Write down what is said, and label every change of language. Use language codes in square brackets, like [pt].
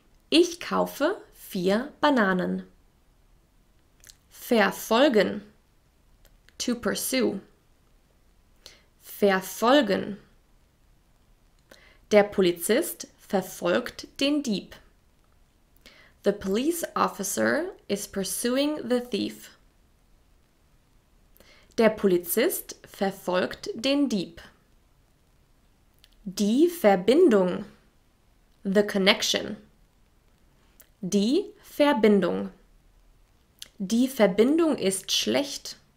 [de] Ich kaufe 4 Bananen. Verfolgen. [en] To pursue. [de] Verfolgen. Der Polizist verfolgt den Dieb. [en] The police officer is pursuing the thief. [de] Der Polizist verfolgt den Dieb. Die Verbindung. [en] The connection. [de] Die Verbindung. Die Verbindung ist schlecht.